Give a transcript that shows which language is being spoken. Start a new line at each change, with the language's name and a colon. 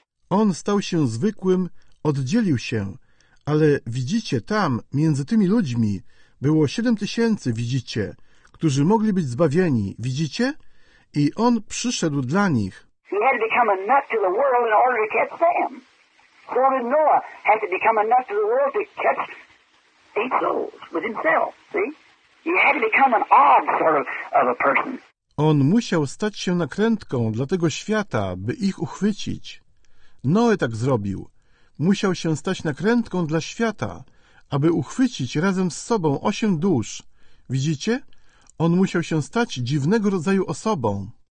Polish: On stał się zwykłym, oddzielił się, ale widzicie, tam, między tymi ludźmi, było 7,000, widzicie, którzy mogli być zbawieni, widzicie? I on przyszedł dla nich.
English: He had to become a nut to the world in order to catch them. So did Noah have to become a nut to the world to catch eight souls with himself, see? He had to become an odd sort of a person.
Polish: On musiał stać się nakrętką dla tego świata, by ich uchwycić. Noe tak zrobił. Musiał się stać nakrętką dla świata, aby uchwycić razem z sobą 8 dusz. Widzicie? On musiał się stać dziwnego rodzaju osobą.